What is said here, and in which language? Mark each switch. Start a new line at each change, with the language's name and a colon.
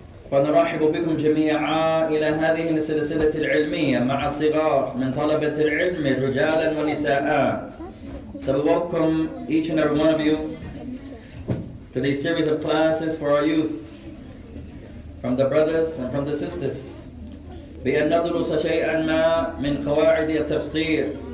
Arabic: فنرحب بكم جميعا إلى هذه السلسلة العلمية مع الصغار من طلبة العلم رجالا ونساء.
English: So we welcome each and every one of you to this series of classes for our youth, from the brothers and from the sisters.
Arabic: بأن ندرس شيئا ما من قواعد التفسير.